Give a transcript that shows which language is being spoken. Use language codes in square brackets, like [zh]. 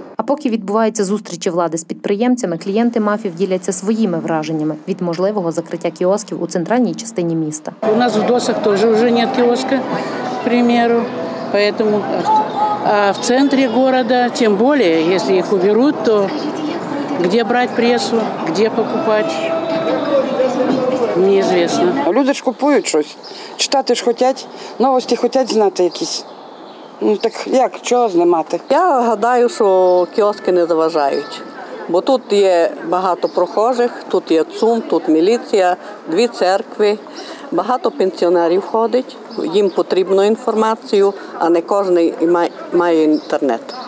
[uk] А поки відбуваються зустрічі влади з підприємцями, клієнти МАФів діляться своїми враженнями від можливого закриття кіосків у центральній частині міста. У нас в Досах теж вже немає кіоска, приміру. Тому в центрі міста, тим більше, якщо їх уберуть, то... [ru] Где брать прессу, где покупать, неизвестно. [uk] Люди ж купують щось, читати ж хотять, новості хотять знати якісь. Ну так як, чого знімати? Я гадаю, що кіоски не заважають, бо тут є багато прохожих, тут є ЦУМ, тут міліція, дві церкви, багато пенсіонерів ходить, їм потрібно інформацію, а не кожний має інтернет.